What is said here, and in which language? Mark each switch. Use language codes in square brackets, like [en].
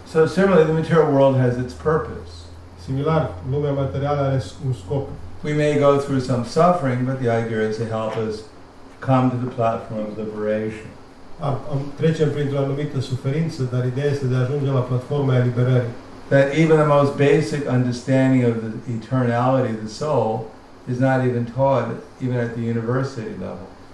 [en] So similarly, the material world has its purpose. [ro] Similar, lumea materială are un scop. [en] We may go through some suffering, but the idea is to help us come to the platform of liberation. [ro] Trecem printr-o anumită suferință, dar ideea este de a ajunge la platforma eliberării. [en] That even the most basic understanding of the eternality of the soul is not even taught, even at the university level.